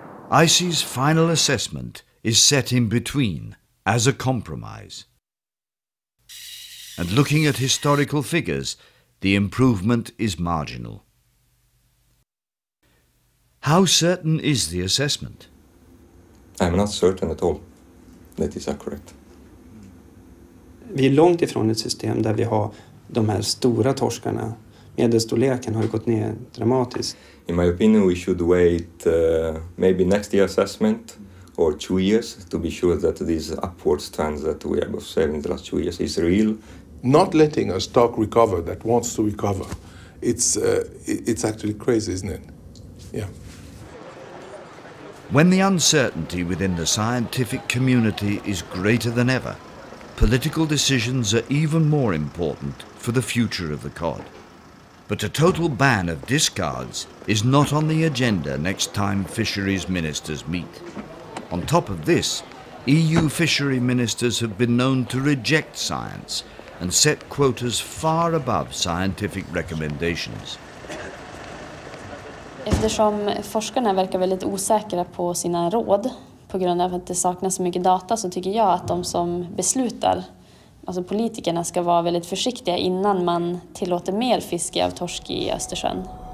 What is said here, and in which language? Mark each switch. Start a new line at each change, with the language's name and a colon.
English: ICES' final assessment is set in between as a compromise. And looking at historical figures, the improvement is marginal. How certain is the assessment? I'm not certain at all that is accurate.
Swedish: Vi är långt ifrån ett system där vi har de här stora torskarna. Medelstorleken har gått ner dramatiskt.
English: In my opinion we should wait maybe next year's assessment or 2 years to be sure that these upward trends that we have observed in the last 2 years is real. Not letting a stock recover that wants to recover, it's actually crazy, isn't it? Yeah. When the uncertainty within the scientific community is greater than ever, political decisions are even more important for the future of the cod. But a total ban of discards is not on the agenda next time fisheries ministers meet. On top of this, EU fishery ministers have been known to reject science and set quotas far above scientific recommendations.
Swedish: Eftersom forskarna verkar väldigt osäkra på sina råd på grund av att det saknas så mycket data, så tycker jag att de som beslutar, alltså politikerna, ska vara väldigt försiktiga innan man tillåter mer fiske av torsk i Östersjön.